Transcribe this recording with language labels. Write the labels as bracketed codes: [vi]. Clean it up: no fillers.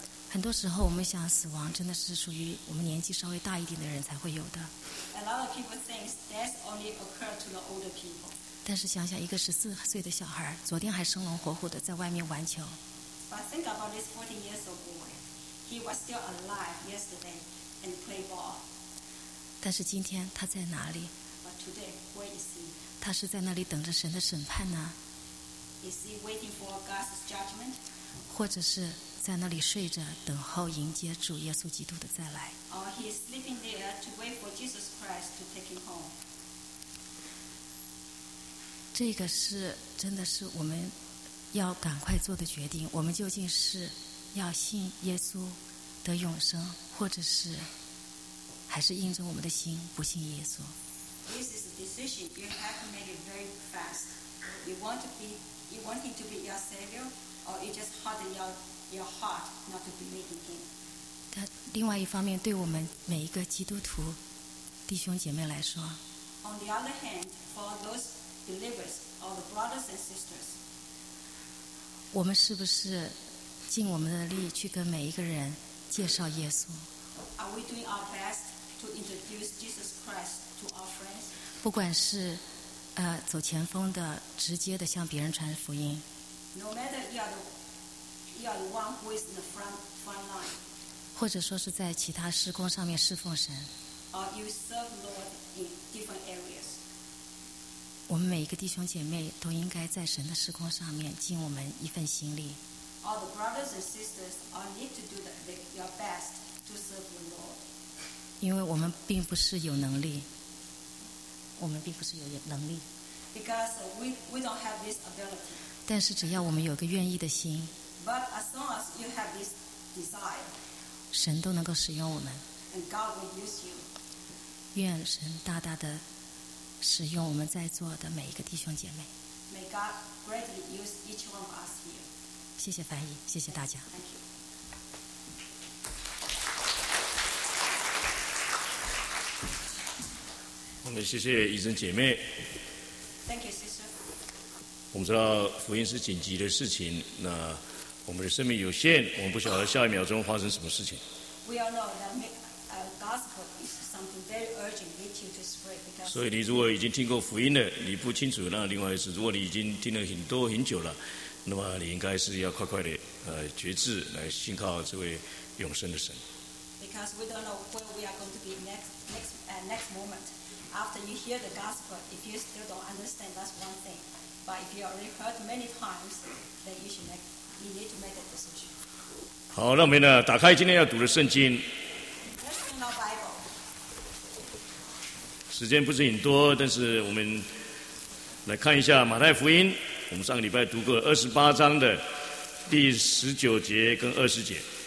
[zh] 很多时候我们想死亡真的是属于我们年纪稍微大一点的人才会有的。 [en] A lot of people think death only occurs to the older people. [zh] 但是想想一个十四岁的小孩昨天还生龙活虎的在外面玩球。 [en] But think about this 14 years old boy. He was still alive yesterday and play ball. [zh] 但是今天他在哪里？ [en] But today, where is he? [zh] 他是在那里等着神的审判呢。 [en] Is he waiting for God's judgment? [zh] 或者是在那里睡着，等候迎接主耶稣基督的再来。 [en] Or he is sleeping there to wait for Jesus Christ to take him home. [zh] 这个是真的是我们要赶快做的决定。我们究竟是要信耶稣得永生，或者是还是硬着我们的心不信耶稣 [en] ？This is a decision you have to make it very fast. You want him to be your savior. Or you just harden your heart not to believe in him. [zh] 但另外一方面，对我们每一个基督徒弟兄姐妹来说 [en] ，On the other hand, for those believers or the brothers and sisters, [zh] 我们是不是尽我们的力去跟每一个人介绍耶稣 [en] ？Are we doing our best to introduce Jesus Christ to our friends? [zh] 不管是走前锋的，直接的向别人传福音。 [en] No matter you are the one who is in the front line, [zh] 或者说是在其他事工上面侍奉神 [en] or you serve the Lord in different areas. [zh] 我们每一个弟兄姐妹都应该在神的事工上面尽我们一份心力 [en] All the brothers and sisters all need to do your best to serve the Lord. [zh] 因为我们并不是有能力，我们并不是有能力 [en] Because we don't have this ability. [zh] 但是只要我们有个愿意的心 [en] But as long as you have this desire, [zh] 神都能够使用我们 [en] and God will use you. [zh] 愿神大大的使用我们在座的每一个弟兄姐妹。 [en] May God greatly use each one of us here. [zh] 谢谢翻译，谢谢大家。 [en] Thank you. [zh] 我们谢谢医生姐妹。 [en] Thank you, sister. [zh] 我们知道福音是紧急的事情，那我们的生命有限，我们不晓得下一秒钟发生什么事情。 [en] We all know that gospel is something very urgent, need to spread. [zh] 所以你如果已经听过福音了，你不清楚，那另外一次，如果你已经听了很多很久了，那么你应该是要快快的觉知，来信靠这位永生的神。 [en] Because we don't know where we are going to be next moment. After you hear the gospel, if you still don't understand, that's one thing. But if you already heard many times, then you need to make a decision. [zh] 好，那我们呢，打开今天要读的圣经。 [en] Let's open our Bible. [zh] 时间不是很多，但是我们来看一下马太福音。我们上个礼拜读过28章的第19节跟20节。